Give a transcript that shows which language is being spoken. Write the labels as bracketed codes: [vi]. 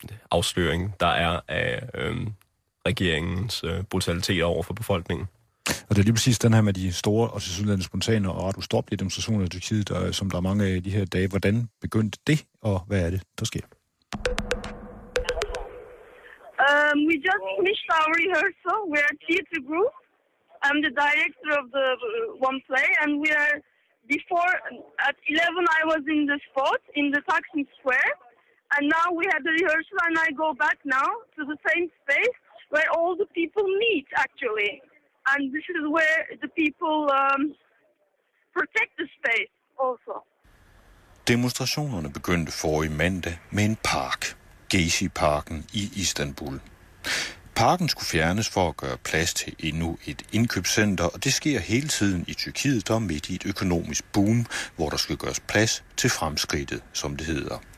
[da] afsløring, der er af regeringens brutalitet over for befolkningen. Og det er lige præcis den her med de store og tilsyneladende spontane og ret ustoppelige demonstrationer i Tyrkiet, der, som der er mange af de her dage. Hvordan begyndte det, og hvad er det, der sker? [en] We just finished our rehearsal. We are a theater group. I'm the director of the one play, and we are before at 11. I was in the spot in the Taksim Square, and now we had the rehearsal, and I go back now to the same space where all the people meet actually, and this is where the people protect the space also. [da] Demonstrationerne begyndte forrige mandag med en park. Gezi-parken i Istanbul. Parken skulle fjernes for at gøre plads til endnu et indkøbscenter, og det sker hele tiden i Tyrkiet, der midt i et økonomisk boom, hvor der skal gøres plads til fremskridtet, som det hedder.